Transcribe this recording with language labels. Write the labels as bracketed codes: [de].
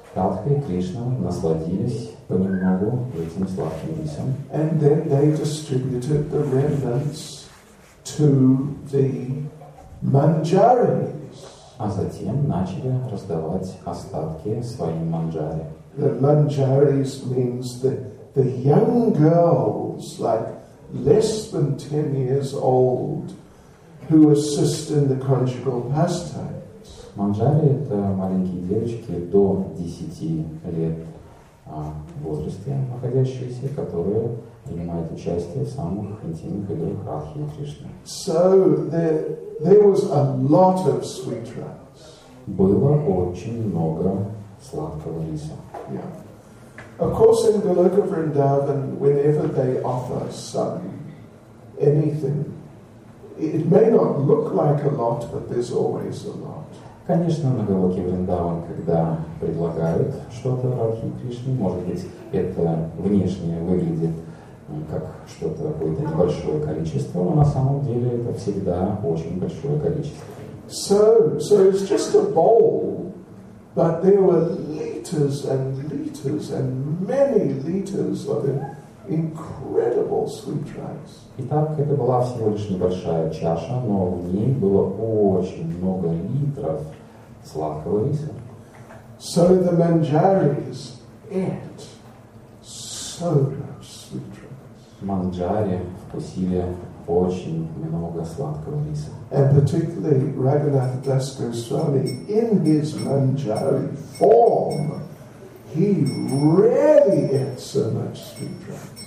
[ru] Радха и Кришна насладились понемногу этим сладким рисом. [en] And then they distributed the remnants to the manjaris. [ru] А затем начали раздавать остатки своим манджари. [en] The manjaris means the young girls, like less than 10 years old, who assist in the conjugal pastime. [ru] Манджари — это маленькие девочки до 10 лет в возрасте находящиеся, которые принимают участие в самых интимных играх Радхи и Кришны. [en] So there was a lot of sweet rice. [ru] Было очень много сладкого риса. [en] Yeah. Of course, in Goloka Vrindavan, whenever they offer some, anything, it may not look like a lot, but there's always a lot. [ru] Конечно, на Голоке Вриндаван, когда предлагают что-то Радхе и Кришне, может быть, это внешне выглядит как что-то какое-то небольшое количество, но на самом деле это всегда очень большое количество. [en] So it's just a bowl, but there were liters and liters and many liters of it. Incredible sweet rice. [ru] Итак, это была всего лишь небольшая чаша, но в ней было очень много литров сладкого риса. [en] So the manjaris ate so much sweet rice. [ru] Манджари вкусили очень много сладкого риса. [en] And particularly Raghunath Das Goswami, in his manjari form, he really ate so much sweet rice.